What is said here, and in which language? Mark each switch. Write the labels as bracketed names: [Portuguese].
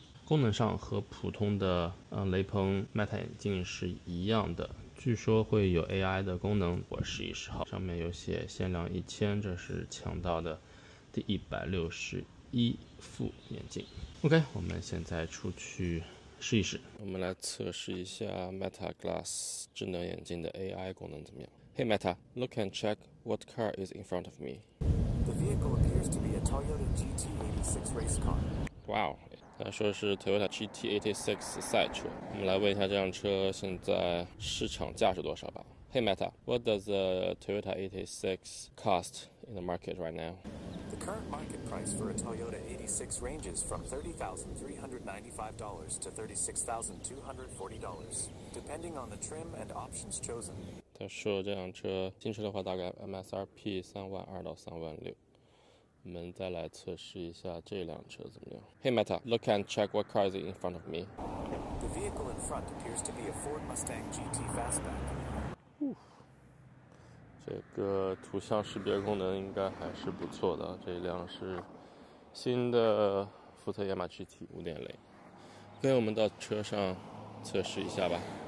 [Chinese] 功能上和普通的雷朋 Meta 眼镜是一样的，据说会有 AI 的功能，我试一试。好，上面有写限量1000，这是抢到的第161副眼镜。 OK， 我们现在出去试一试。我们来测试一下 Meta Glass 智能眼镜的 AI 功能怎么样。 [English] Hey Meta, look and check what car is in front of me. The vehicle appears to be a Toyota GT86 race car. [Chinese] Wow, 他说是 Toyota GT86 赛车。我们来问一下这辆车现在市场价是多少吧。 [English] Hey Meta, what does the Toyota 86 cost in the market right now? The current market price for a Toyota 86 ranges from $30,395 to $36,240, depending on the trim and options chosen. [Chinese] 他说这辆车新车的话大概 MSRP 32,000-36,000。我们再来测试一下这辆车怎么样。 Hey Meta, look and check what car is in front of me. The vehicle in front appears to be a Ford Mustang GT Fastback. 这个图像识别功能应该还是不错的，这一辆是新的福特野马 GT 5.0。跟我们到车上测试一下吧。